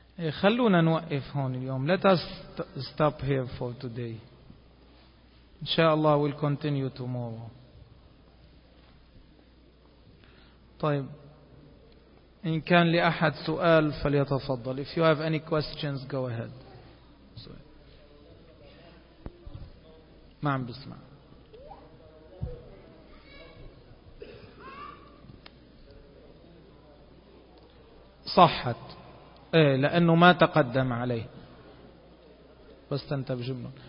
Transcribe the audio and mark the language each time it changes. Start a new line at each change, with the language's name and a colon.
Arabic: خلونا نوقف هون اليوم.
English: Let us stop here for today. Inshallah, we'll continue tomorrow.
Arabic: طيب. إن كان لأحد سؤال فليتفضل.
English: If you have any questions, go ahead. Sorry.
Arabic: ما عم بسمع. صحت. إيه لأنه ما تقدم عليه. بس تنتبه جملة.